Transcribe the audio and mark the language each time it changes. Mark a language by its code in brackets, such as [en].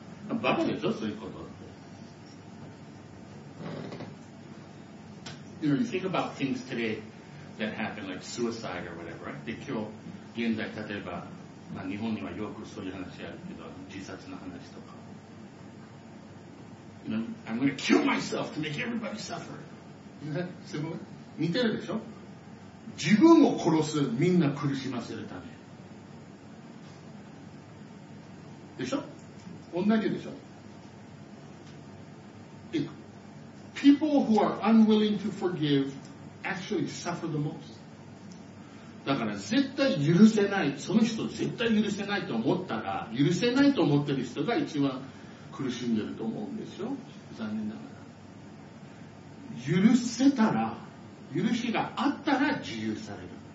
[en] You know, you think about things today that happen, like suicide or whatever, right? They kill, [ja] 現在例えば、まあ、日本にはよくそういう話あるけど、自殺の話とか。 [en] You know, I'm gonna kill myself to make everybody suffer. Similar? [ja] 似てるでしょ自分を殺す、みんな苦しませるため。でしょ？同じでしょ？ [en] People who are unwilling to forgive actually suffer the most. [ja] だから絶対許せない、その人絶対許せないと思ったら、許せないと思ってる人が一番苦しんでると思うんですよ。残念ながら。許せたら、許しがあったら自由される。